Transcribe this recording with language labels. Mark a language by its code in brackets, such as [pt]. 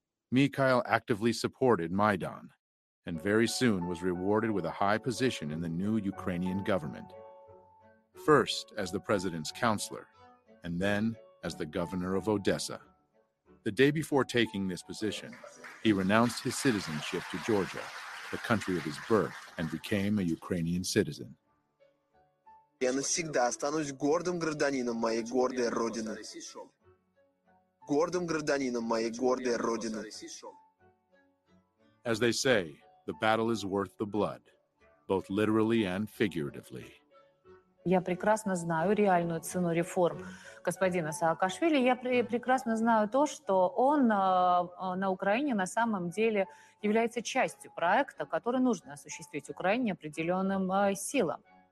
[en] Mikhail actively supported Maidan, and very soon was rewarded with a high position in the new Ukrainian government. First as the president's counselor, and then as the governor of Odessa. The day before taking this position, he renounced his citizenship to Georgia, the country of his birth, and became a Ukrainian citizen. [ru] Я навсегда останусь гордым гражданином моей гордой родины. Гордым гражданином моей гордой родины. [en] As they say, the battle is worth the blood, both literally and figuratively. [ru] Я прекрасно знаю реальную цену реформ господина Саакашвили. Я прекрасно знаю то, что он на Украине на самом деле является частью проекта, который нужно осуществить Украине определенным силам.